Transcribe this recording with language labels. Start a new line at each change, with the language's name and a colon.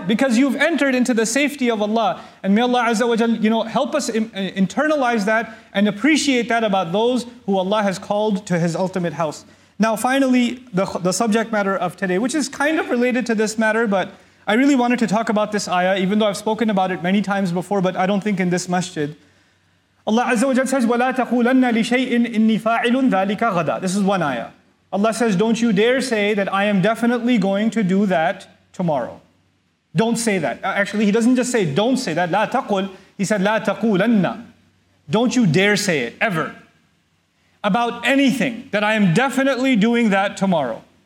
English: Because you've entered into the safety of Allah. And may Allah Azza wa Jal, you know, help us internalize that and appreciate that about those who Allah has called to His ultimate house. Now finally, the subject matter of today, which is kind of related to this matter, but I really wanted to talk about this ayah, even though I've spoken about it many times before, but I don't think in this masjid. Allah Azza wa Jal says,
Arabic: وَلَا تَقُولَنَّ لِشَيْءٍ إِنِّي فَاعِلٌ ذَلِكَ غَدًا.
English: This is one ayah. Allah says, don't you dare say that I am definitely going to do that tomorrow. Don't say that. Actually, He doesn't just say, don't say that.
Arabic: لَا تَقُول.
English: He said,
Arabic: لَا تَقُولَنَّ.
English: Don't you dare say it, ever. About anything, that I am definitely doing that tomorrow.